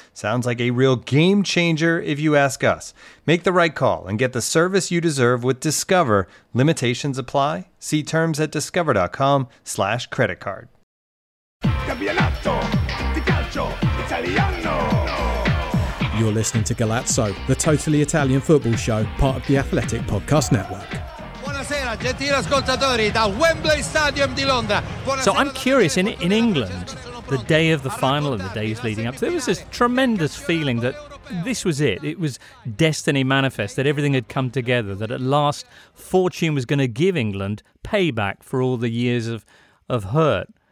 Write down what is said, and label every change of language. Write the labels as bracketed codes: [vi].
[en] Sounds like a real game changer if you ask us. Make the right call and get the service you deserve with Discover. Limitations apply. See terms at discover.com/credit card. [it] Campionato di calcio italiano. [en] You're listening to Galazzo, the totally Italian football show, part of the Athletic Podcast Network. [it] Buonasera, gentili ascoltatori, da Wembley Stadium di Londra. [en] So I'm curious, in England, the day of the final and the days leading up, there was this tremendous feeling that this was it. It was destiny manifest, that everything had come together, that at last fortune was going to give England payback for all the years of hurt.